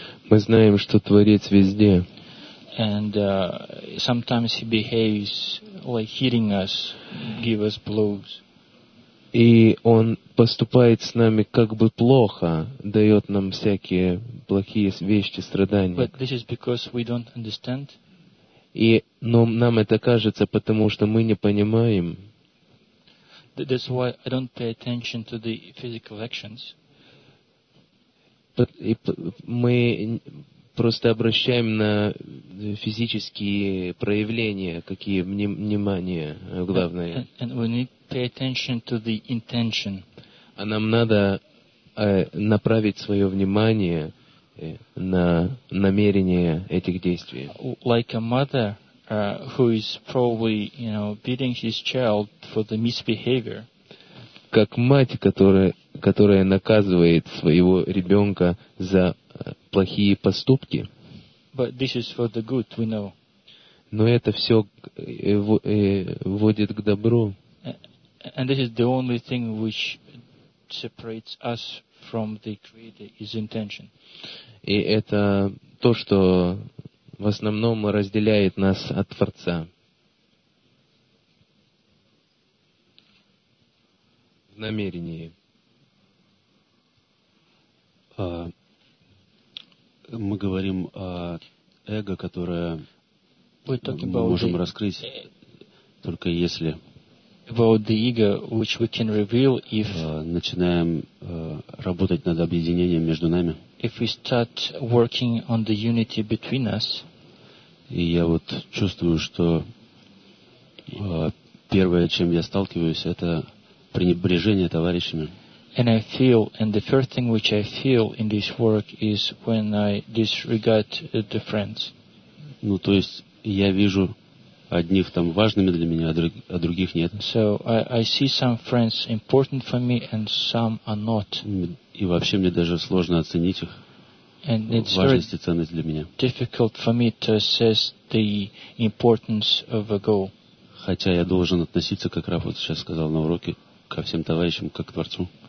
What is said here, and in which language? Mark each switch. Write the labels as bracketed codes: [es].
[ru] Мы знаем, что Творец везде. [en] And sometimes he behaves like hitting us, give us blows. [ru] И он поступает с нами как бы плохо, дает нам всякие плохие вещи, страдания. [en] But this is because we don't understand. [ru] И, но нам это кажется, потому что мы не понимаем. [en] That's why I don't pay attention to the physical actions. [ru] И мы просто обращаем на физические проявления, какие внимание главное. [en] And we need to pay attention to the intention. [ru] А нам надо направить свое внимание на намерение этих действий. [en] Like a mother who is probably, you know, beating his child for the misbehavior. [ru] Как мать, которая наказывает своего ребенка за плохие поступки. [en] But this is for the good, we know. [ru] Но это все вводит к добру. [en] And this is the only thing which separates us from the Creator is intention. [ru] И это то, что в основном разделяет нас от Творца. В намерении. Мы говорим о эго, которое мы можем раскрыть только если [en] about the ego, which we can reveal if [ru] начинаем работать над объединением между нами. [en] If we start working on the unity between us. [ru] И я вот чувствую, что первое, чем я сталкиваюсь, это пренебрежение товарищами. [en] And I feel, and the first thing which I feel in this work is when I disregard the friends. [ru] Ну, то есть я вижу одних там важными для меня, а других нет. [en] So I see some friends important for me and some are not. [ru] И вообще мне даже сложно оценить их важность и ценность для меня. [en] Difficult for me to assess the importance of a goal. [ru] Хотя я должен относиться, как Раф вот сейчас сказал на уроке, ко всем товарищам как к Творцу.